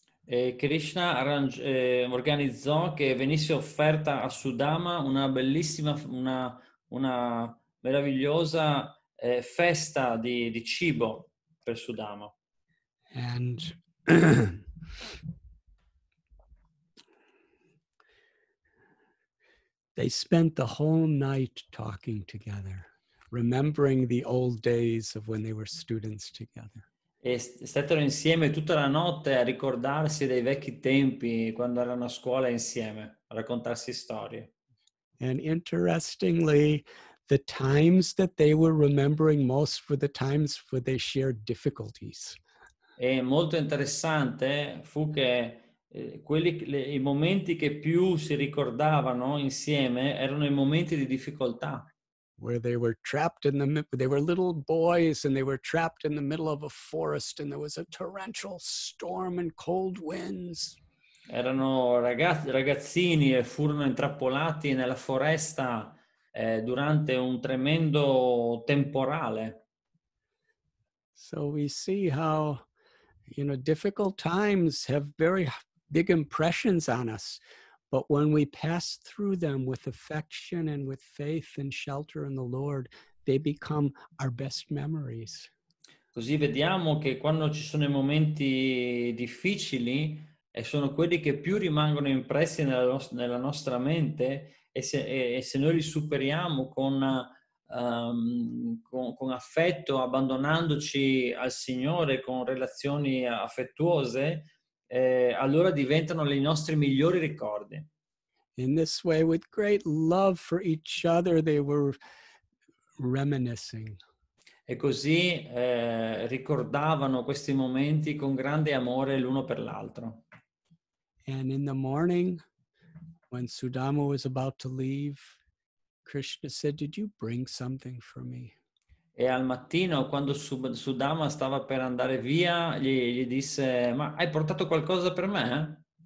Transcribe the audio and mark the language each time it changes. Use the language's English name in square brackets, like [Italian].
[Italian] E Krishna organizzò che venisse offerta a Sudama una bellissima, una meravigliosa festa di cibo per Sudama. [English] And they spent the whole night talking together, remembering the old days of when they were students together. [Italian] E stettero insieme tutta la notte a ricordarsi dei vecchi tempi quando erano a scuola insieme, a raccontarsi storie. [English] And interestingly, the times that they were remembering most were the times where they shared difficulties. [Italian] E molto interessante fu che i momenti che più si ricordavano insieme erano i momenti di difficoltà. [English] Where they were trapped in they were little boys and they were trapped in the middle of a forest and there was a torrential storm and cold winds. [Italian] Erano ragazzini e furono intrappolati nella foresta durante un tremendo temporale. [English] So we see how, you know, difficult times have very big impressions on us, but when we pass through them with affection and with faith and shelter in the Lord, they become our best memories. [Italian] Così vediamo che quando ci sono i momenti difficili e sono quelli che più rimangono impressi nella nostra mente, e se noi li superiamo con affetto, abbandonandoci al Signore con relazioni affettuose, allora diventano i nostri migliori ricordi. [English] In this way, with great love for each other, they were reminiscing. [Italian] E così ricordavano questi momenti con grande amore l'uno per l'altro. [English] And in the morning, when Sudama was about to leave, Krishna said, "Did you bring something for me?" [Italian] E al mattino, quando Sudama stava per andare via, gli disse, "Ma hai portato qualcosa per me?"